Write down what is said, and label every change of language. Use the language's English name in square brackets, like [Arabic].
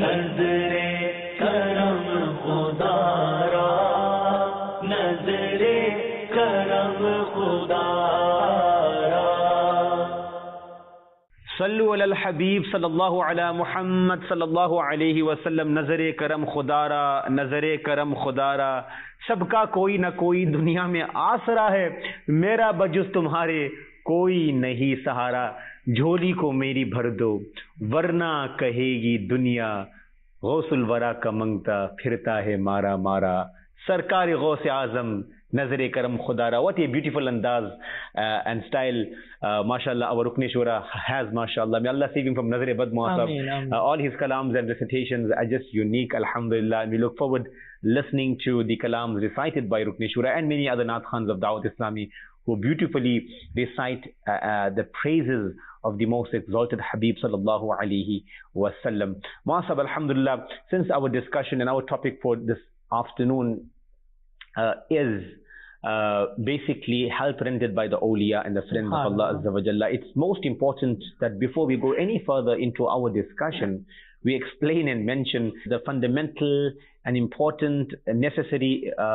[Urdu] نظر کرم خدا را نظر کرم خدا را [Arabic] صلو علی الحبیب صلی اللہ علی محمد صلی اللہ علیہ وسلم [Urdu] نظر کرم خدا را نظر کرم خدا را سب کا کوئی نہ کوئی دنیا میں آسرا ہے میرا بجز تمہارے کوئی نہیں سہارا جھولی کو میری بھر دو ورنہ کہے گی دنیا غوث الورا کا منگتا پھرتا ہے مارا مارا سرکار غوث اعظم نظر کرم خدا را [English] What a beautiful انداز and style ماشاء اللہ اور رکنیشورا ہیز ماشاء اللہ مے اللہ سیو ہم فرام نظر بد معصب آل ہز کلامز and recitations are just unique الحمدللہ we look forward listening to the کلامز ریسائٹڈ بائی رکنیشورا اینڈ مینی ادر ناتھ خانز of Dawat Islami who beautifully recite the praises of the most exalted Habib sallallahu alayhi wasallam. Ma'asab, alhamdulillah, since our discussion and our topic for this afternoon is basically help rendered by the awliya and the friends of Allah Azza wa Jalla, it's most important that before we go any further into our discussion, we explain and mention the fundamental and important and necessary